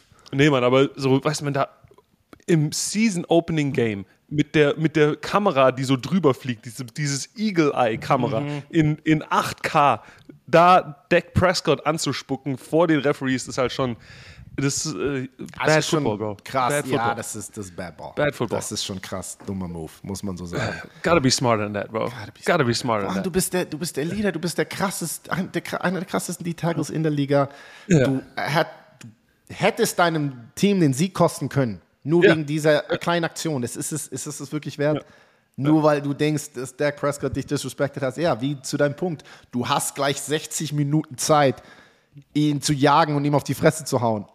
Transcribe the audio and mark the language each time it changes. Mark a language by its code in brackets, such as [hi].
[de] Nee, Mann, aber so, weißt du, man da im Season-Opening-Game mit der Kamera, die so drüber fliegt, dieses Eagle-Eye-Kamera in 8K, da Dak Prescott anzuspucken vor den Referees, ist halt schon, Das ist Bad schon Football, Bro. Krass, [en] bad football. [de] Ja, das ist Bad Ball. [en] Bad Football. [de] Das ist schon krass, dummer Move, muss man so sagen. [en] Gotta be smarter than that, Bro. Gotta be smarter than that. [de] Du bist der Leader, du bist der krasseste, einer der krassesten D-Tackles in der Liga. Yeah. Du hättest deinem Team den Sieg kosten können, nur wegen dieser kleinen Aktion. Ist es wirklich wert? Yeah. Nur weil du denkst, dass Dak Prescott dich disrespected hat. Ja, wie zu deinem Punkt. Du hast gleich 60 Minuten Zeit, ihn zu jagen und ihm auf die Fresse zu hauen.